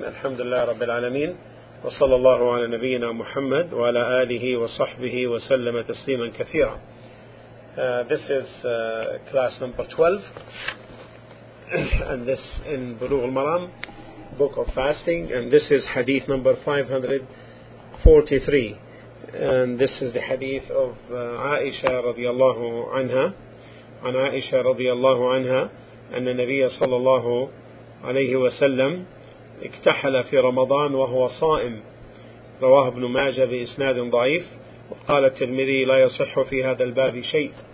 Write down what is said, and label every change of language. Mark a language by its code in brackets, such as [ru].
[ar] الحمد لله رب العالمين، وصلى الله على نبينا محمد وعلى آله وصحبه وسلم تسليما كثيرا. [en] This is class number 12 and this in بلوغ المرام, book of fasting, and this is hadith number 543, and this is the hadith of Aisha رضي الله عنها. [ar] عن عائشة رضي الله عنها أن النبي صلى الله عليه وسلم اكتحل في رمضان وهو صائم. رواه ابن ماجه بإسناد ضعيف. وقال الترمذي لا يصح في هذا الباب شيء.